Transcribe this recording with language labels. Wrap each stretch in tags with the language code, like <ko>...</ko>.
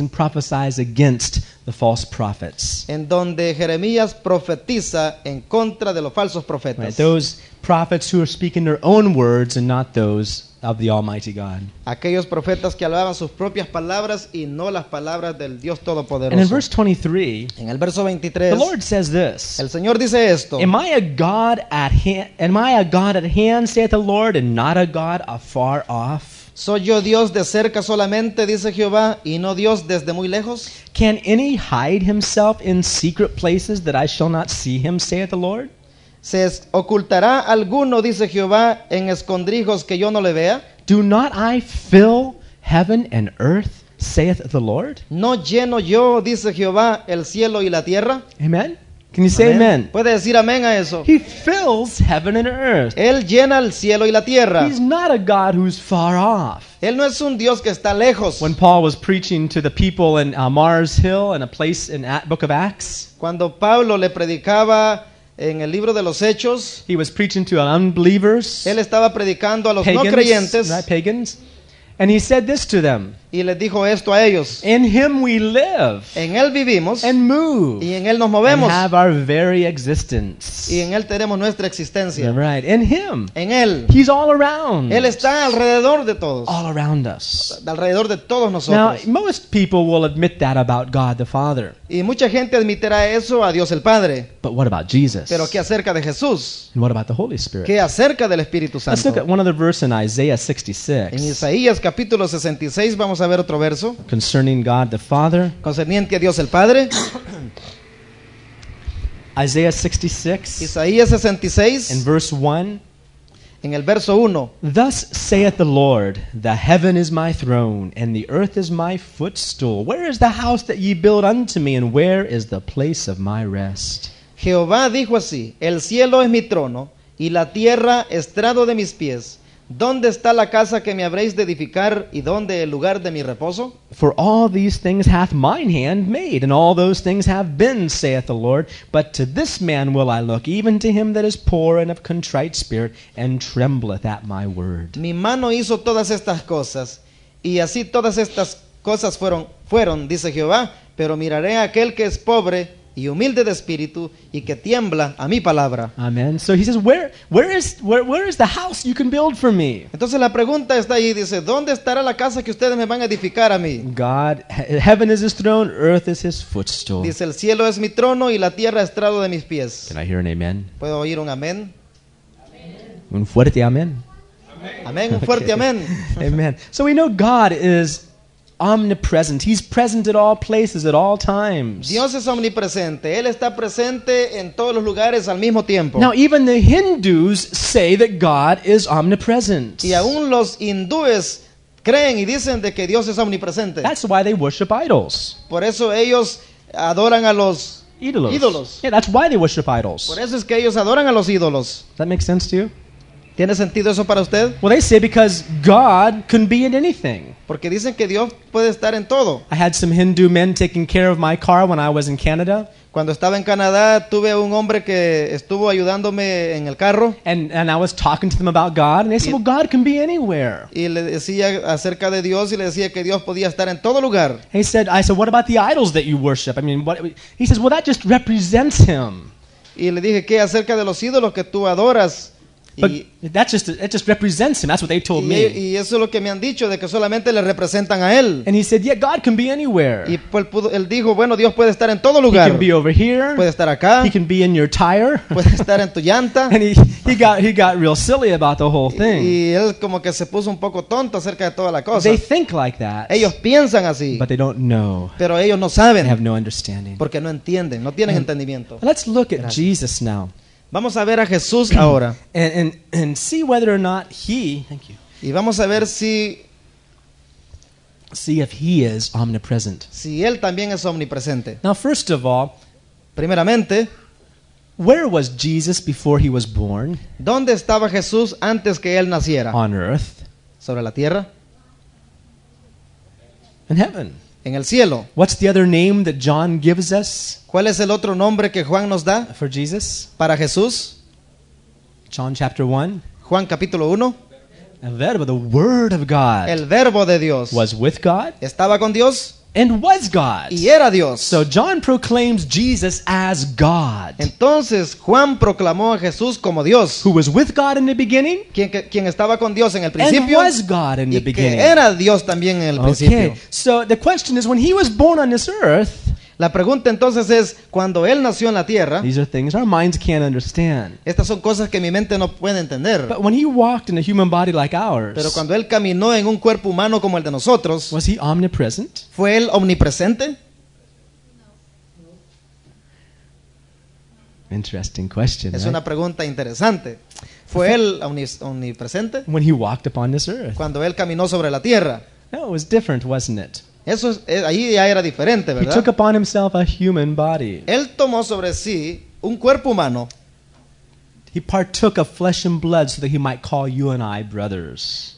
<en>Where Jeremiah speaks and prophesies against the false prophets.</en> <es>En donde Jeremías profetiza en contra de los falsos profetas.</es> <en>Right, those prophets who are speaking their own words and not those of the Almighty God.</en> <es>Aquellos profetas que hablaban sus propias palabras y no las palabras del Dios Todopoderoso.</es> <en>And in verse 23,</en> <es>en el verso 23,</es> <en>the Lord says this.</en> <es>El Señor dice esto.</es> <en>Am I a God at hand, saith the Lord, and not a God afar off?</en> <es>¿Soy yo Dios de cerca solamente, dice Jehová, y no Dios desde muy lejos?</es> <en>Can any hide himself in secret places that I shall not see him, saith the Lord?</en> <es>¿Se ocultará alguno, dice Jehová, en escondrijos que yo no le vea?</es> <en>Do not I fill heaven and earth, saith the Lord?</en> <es>¿No lleno yo, dice Jehová, el cielo y la tierra?</es> <en>Amen. Can you say amen?</en> <es>¿Puede decir amén a eso?</es> <en>He fills heaven and earth.</en> <es>Él llena el cielo y la tierra.</es> <en>He's not a God who's far off.</en> <es>Él no es un Dios que está lejos.</es> <en>When Paul was preaching to the people in Mars Hill in a place in the book of Acts,</en> <es>cuando Pablo le predicaba en el libro de los Hechos,</es> <en>he was preaching to unbelievers,</en> <es>él estaba predicando a los pagans, no creyentes,</es> <en>right, pagans, and he said this to them,</en> <es>Y les dijo esto a ellos.</es> <en>In him we live.</en> <es>En él vivimos.</es> <en>And move.</en> <es>Y en él nos movemos.</es> <en>And have our very existence.</en> <es>Y en él tenemos nuestra existencia.</es> <en>Yeah, right. In him.</en> <es>En él.</es> <en>He's all around.</en> <es>Él está alrededor de todos.</es> <en>All around us.</en> <es>Alrededor de todos nosotros.</es> <en>Now, most people will admit that about God the Father.</en> <es>Y mucha gente admitirá eso a Dios el Padre.</es> <en>But what about Jesus?</en> <es>Pero ¿qué acerca de Jesús?</es> <en>And what about the Holy Spirit?</en> <es>¿Qué acerca del Espíritu Santo?</es> <en>Let's look at one other verse in Isaiah 66.</en> <es>En Isaías capítulo 66 vamos a ver otro verso.</es> <en>Concerning God the Father.</en> <es>Concerniente a Dios el Padre.</es> <en>Isaiah 66.</en> <es>Isaías 66.</es> <en>In verse 1.</en> <es>En el verso 1.</es> <en>Thus saith the Lord, the heaven is my throne, and the earth is my footstool. Where is the house that ye build unto me, and where is the place of my rest?</en> <es>Jehová dijo así, el cielo es mi trono, y la tierra estrado de mis pies. ¿Dónde está la casa que me habréis de edificar, y dónde el lugar de mi reposo?</es> <en>For all these things hath mine hand made, and all those things have been, saith the Lord. But to this man will I look, even to him that is poor and of contrite spirit, and trembleth at my word.</en> <es>Mi mano hizo todas estas cosas, y así todas estas cosas fueron, dice Jehová. Pero miraré a aquel que es pobre y humilde de espíritu y que tiembla a mi palabra.</es> <en>Amen. So he says, where is the house you can build for me?</en> <es>Entonces la pregunta está ahí, dice, ¿dónde estará la casa que ustedes me van a edificar a mí?</es> <en>God, heaven is his throne, earth is his footstool.</en> <es>Dice, el cielo es mi trono y la tierra estrado de mis pies.</es> <en>Can I hear an amen?</en> <es>¿Puedo oír un amén? Un fuerte amén. Amén, un fuerte amén.</es> <en>Amen. So we know God is omnipresent. He's present at all places at all times.</en> <es>Dios es omnipresente. Él está presente en todos los lugares al mismo tiempo.</es> <en>Now even the Hindus say that God is omnipresent.</en> <es>Y aún los hindúes creen y dicen de que Dios es omnipresente.</es> <en>That's why they worship idols.</en> <es>Por eso ellos adoran a los ídolos.</es> <en>Yeah, that's why they worship idols.</en> <es>Por eso es que ellos adoran a los ídolos.</es> <en>Does that make sense to you?</en> <es>¿Tiene sentido eso para usted?</es> <en>Well, they say because God can be in anything.</en> <es>Porque dicen que Dios puede estar en todo.</es> <en>I had some Hindu men taking care of my car when I was in Canada.</en> <es>Cuando estaba en Canadá, tuve un hombre que estuvo ayudándome en el carro.</es> <en>And I was talking to them about God, and they said, well, God can be anywhere.</en> <es>Y le decía acerca de Dios, y le decía que Dios podía estar en todo lugar.</es> <en>I said, what about the idols that you worship? I mean, what? He says, well, that just represents him.</en> <es>Y le dije, ¿qué acerca de los ídolos que tú adoras?</es> <en>But that just represents him. That's what they told me.</en> <es>Y eso es lo que me han dicho, de que solamente le representan a él.</es> <en>And he said, yeah, God can be anywhere.</en> <es>Y él dijo, bueno, Dios puede estar en todo lugar.</es> <en>He can be over here.</en> <es>Puede estar acá.</es> <en>He can be in your tire.</en> <es>Puede estar en tu llanta.</es> <en>And he got real silly about the whole thing.</en> <es>Y él como que se puso un poco tonto acerca de toda la cosa.</es> <en>They think like that.</en> <es>Ellos piensan así.</es> <en>But they don't know.</en> <es>Pero ellos no saben.</es> <en>They have no understanding.</en> <es>Porque no entienden, no tienen entendimiento.</es> <en>Let's look at Jesus now.</en> <es>Vamos a ver a Jesús ahora.</es> <en>And see whether or not he. Thank you.</en> <es>Y vamos a ver si.</es> <en>See if he is omnipresent.</en> <es>Si él también es omnipresente.</es> <en>Now, first of all.</en> <es>Primeramente.</es> <en>Where was Jesus before he was born?</en> <es>¿Dónde estaba Jesús antes que él naciera?</es> <en>On earth.</en> <es>Sobre la tierra.</es> <en>In heaven.</en> <es>En el cielo.</es> <en>What's the other name that John gives us?</en> <es>¿Cuál es el otro nombre que Juan nos da?</es> <en>For Jesus.</en> <es>Para Jesús.</es> <en>John chapter 1.</en> <es>Juan capítulo 1. El verbo,</es> <en>the word of God.</en> <es>El verbo de Dios.</es> <en>Was with God.</en> <es>Estaba con Dios.</es> <en>And was God.</en> <es>Y era Dios.</es> <en>So John proclaims Jesus as God.</en> <es>Entonces Juan proclamó a Jesús como Dios.</es> <en>Who was with God in the beginning.</en> <es>Quien estaba con Dios en el principio.</es> <en>And was God in the beginning.</en> <es>Y que era Dios también en el principio.</es> <en>Okay. So the question is, when he was born on this earth.</en> <es>La pregunta entonces es, cuando él nació en la tierra.</es> <en>These are things our minds can't understand.</en> <es>Estas son cosas que mi mente no puede entender.</es> <en>But when he walked in a human body like ours.</en> <es>Pero cuando él caminó en un cuerpo humano como el de nosotros.</es> <en>Was he omnipresent?</en> <es>¿Fue él omnipresente?</es> <en>Interesting question.</en> <es>Es una pregunta interesante. ¿Fue él omnipresente?</es> <en>When he walked upon this earth.</en> <es>Cuando él caminó sobre la tierra.</es> <en>No, it was different, wasn't it?</en> <es>Eso ahí ya era diferente, ¿verdad?</es> <en>He took upon himself a human body.</en> <es>Él tomó sobre sí un cuerpo humano.</es> <en>He partook of flesh and blood so that he might call you and I brothers.</en>